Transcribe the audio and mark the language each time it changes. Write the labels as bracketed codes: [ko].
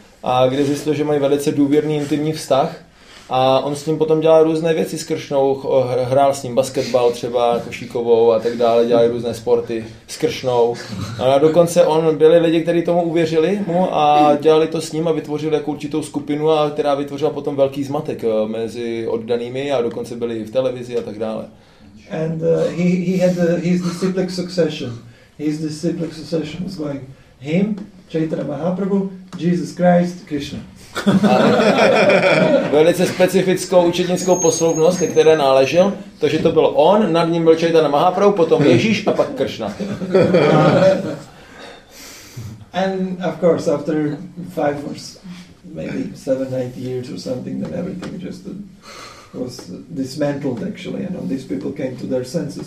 [cs] a kde zjistil, že mají velice důvěrný intimní vztah a on s ním potom dělal různé věci s Kršnou, hrál s ním basketbal třeba košíkovou a tak dále, dělal různé sporty s Kršnou a dokonce on byli lidi, kteří tomu uvěřili mu a dělali to s ním a vytvořili jako určitou skupinu, a která vytvořila potom velký zmatek mezi oddanými a dokonce byli v televizi a tak dále. [en] And he had his disciplic succession. His disciplic succession was going him, Chaitanya Mahaprabhu, Jesus Christ, Krishna. [cs] A velice specifickou učednickou posloupnost, ke které náležel, takže to byl on, nad ním byl Chaitanya Mahaprabhu, potom Ježíš a pak Kršna. [en] And of course after 5 or maybe 7-8 years or something then everything just was dismantled actually and all these people came to their senses.